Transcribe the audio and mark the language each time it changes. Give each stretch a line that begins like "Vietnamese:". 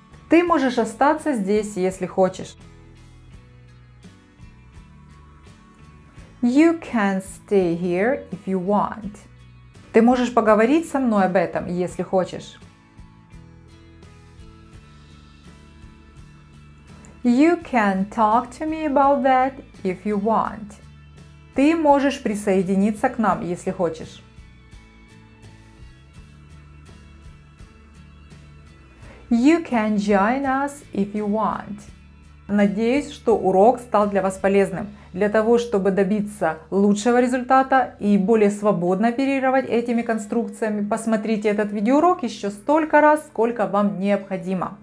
Russian: Ты можешь остаться здесь, если хочешь.
English: You can stay here if you want.
Russian: Ты можешь поговорить со мной об этом, если хочешь.
English: You can talk to me about that if you want.
Russian: Ты можешь присоединиться к нам, если хочешь.
English: You can join us if you want.
Russian: Надеюсь, что урок стал для вас полезным. Для того, чтобы добиться лучшего результата и более свободно оперировать этими конструкциями, посмотрите этот видеоурок еще столько раз, сколько вам необходимо.